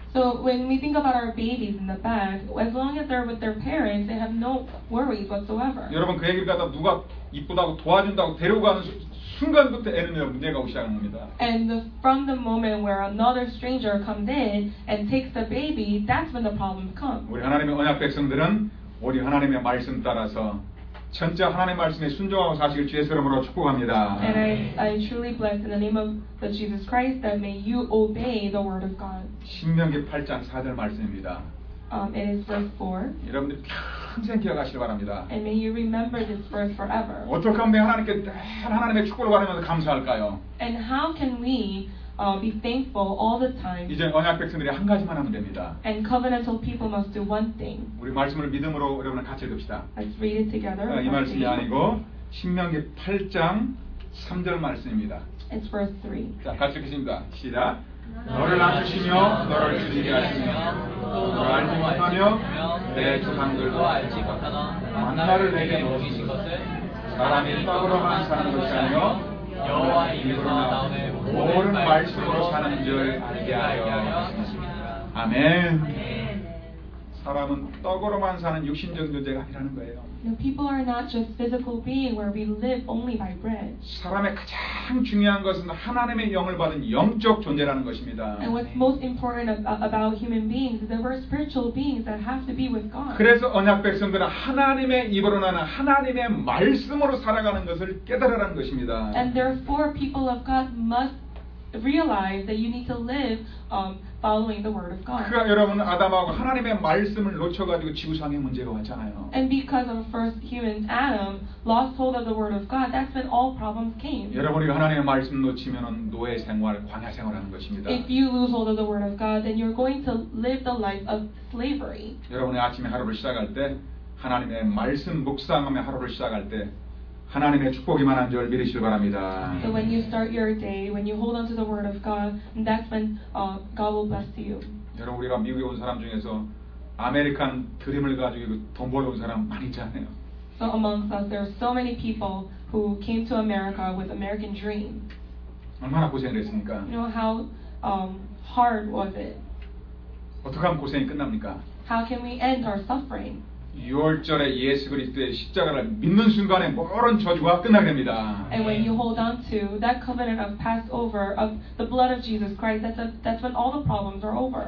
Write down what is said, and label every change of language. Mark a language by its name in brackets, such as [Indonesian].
[English] So when we think about our babies in the back, as long as they're with their parents, they have no worries whatsoever. [Korean] 여러분 그 아기를 갖다 누가 이쁘다고 도와준다고 데리고 가는 순간부터 애는 문제가 오기 시작합니다. [English] And from the moment where another stranger comes in and takes the baby, that's when the problem comes. [Korean] 우리 하나님의 언약 백성들은 우리 하나님의 말씀 따라서 전체 하나님 말씀에 순종하고 사실 주의 이름으로 축복합니다. [English] And I truly bless in the name of the Jesus Christ that may you obey the word of God. [Korean] 신명기 8장 4절 말씀입니다. [English] It is verse 4. [Korean] 여러분들 평생 기억하시길 바랍니다. [English] And may you remember this verse forever. [Korean] 어떻게 하면 하나님께 하나님의 축복을 받으면서 감사할까요? [English] And how can we be thankful all the time? [Korean] 이제 언약 백성들이 한 가지만 하면 됩니다. [English] And covenantal people must do one thing. [Korean] 우리 말씀을 믿음으로 여러분 같이 읽읍시다. [English] Let's read it together. [Korean] 이 말씀이 아니고 신명기 8장 3절 말씀입니다. [English] It's verse 3. [Korean] 자, 같이 읽겠습니다. 시작. 너를 낮추시며 너를 지키게 하시며 또 너를 알지 못하며 내 조상들도 알지 못하나 만나를 내게 먹이신 것을 사람이 떡으로만 사는 것이 아니요 여호와 입으로 나오는 옳은 말씀으로 사는 줄 알게 하여 하십니다. 아멘. 사람은 떡으로만 사는 육신적인 존재가 아니라는 거예요. [English] The people are not just physical beings where we live only by bread. [Korean] 사람의 가장 중요한 것은 하나님의 영을 받은 영적 존재라는 것입니다. [English] And what's most important about human beings is that we're spiritual beings that have to be with God. [Korean] 그래서 언약 백성들은 하나님의 입으로 나는 하나님의 말씀으로 살아가는 것을 깨달으라는 것입니다. [English] And therefore, people of God must realize that you need to live following the word of God. [Korean] 그러니까 여러분 아담하고 하나님의 말씀을 놓쳐가지고 지구상에 문제가 왔잖아요. [English] And because of the first human, Adam, lost hold of the word of God, that's when all problems came. [Korean] 여러분이 하나님의 말씀 놓치면은 노예 생활, 광야 생활하는 것입니다. [English] If you lose hold of the word of God, then you're going to live the life of slavery. [Korean] 여러분의 아침에 하루를 시작할 때 하나님의 말씀 묵상하며 하루를 시작할 때. 하나님의 축복이 많은 줄 믿으시길 바랍니다. [English] So when you start your day, when you hold on to the word of God, that's when God will bless you. [Korean] 여러분 우리가 미국에 온 사람 중에서 아메리칸 드림을 가지고 돈 벌어온 사람 많이 있잖아요. [English] So amongst us, there are so many people who came to America with American dream. [Korean] 얼마나 고생했습니까? [English] You know how hard was it? [Korean] 어떻게 하면 고생이 끝납니까? [English] How can we end our suffering? [Korean] 유월절에 예수 그리스도의 십자가를 믿는 순간에 모든 저주가 끝나갑니다. [English] And when you hold on to that covenant of Passover of the blood of Jesus Christ, that's when all the problems are over.